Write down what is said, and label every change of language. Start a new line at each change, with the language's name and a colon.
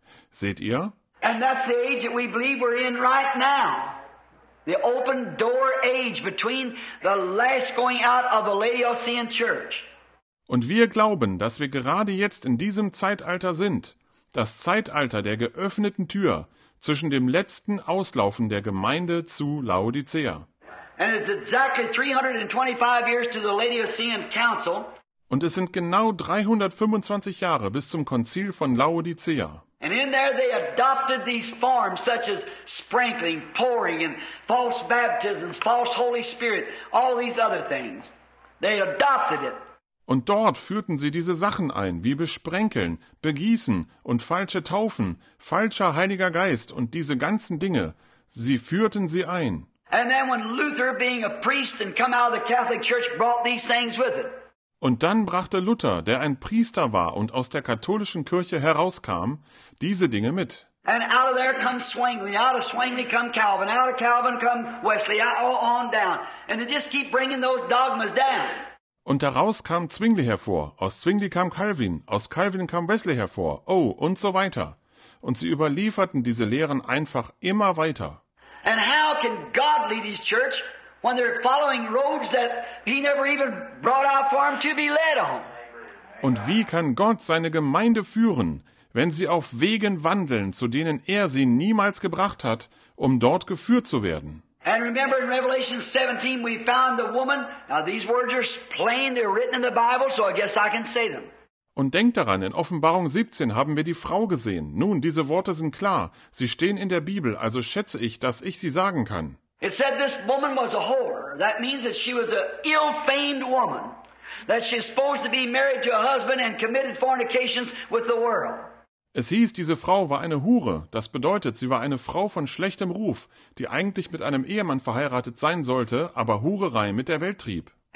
German: Seht ihr?
English: And that's the age that we believe we're in right now. The open door age between the last going out of the Laodicean church.
German: Und wir glauben, dass wir gerade jetzt in diesem Zeitalter sind, das Zeitalter der geöffneten Tür zwischen dem letzten Auslaufen der Gemeinde zu Laodicea.
English: And it's exactly 325 years to the Laodicean Council.
German: Und es sind genau 325 Jahre bis zum Konzil von Laodicea.
English: And in there they adopted these forms such as sprinkling, pouring, and false baptisms, false Holy Spirit, all these other things. They adopted it.
German: Und dort führten sie diese Sachen ein, wie Besprenkeln, Begießen und falsche Taufen, falscher Heiliger Geist und diese ganzen Dinge. Sie führten sie ein.
English: And then when Luther, being a priest and come out of the Catholic Church, brought these things with it.
German: Und dann brachte Luther, der ein Priester war und aus der katholischen Kirche herauskam, diese Dinge mit.
English: And out of there comes Swingley, out of Swingley come Calvin, out of Calvin come Wesley, on down. And they just keep bringing those dogmas down.
German: Und daraus kam Zwingli hervor, aus Zwingli kam Calvin, aus Calvin kam Wesley hervor, oh, und so weiter. Und sie überlieferten diese Lehren einfach immer weiter.
English: And how can God lead his church when they're following roads that he never even brought out for them to be led on?
German: Und wie kann Gott seine Gemeinde führen, wenn sie auf Wegen wandeln, zu denen er sie niemals gebracht hat, um dort geführt zu werden?
English: And remember in Revelation 17 we found the woman. Now these words are plain, they're written in the Bible, so I guess I can say them.
German: Und denkt daran, in Offenbarung 17 haben wir die Frau gesehen. Nun, diese Worte sind klar. Sie stehen in der Bibel, also schätze ich, dass ich sie sagen kann.
English: It said this woman was a whore. That means that she was an ill-famed woman. That she's supposed to be married to a husband and committed fornications with the world.
German: Es hieß, diese Frau war eine Hure. Das bedeutet, sie war eine Frau von schlechtem Ruf, die eigentlich mit einem Ehemann verheiratet sein sollte, aber Hurerei mit der Welt trieb.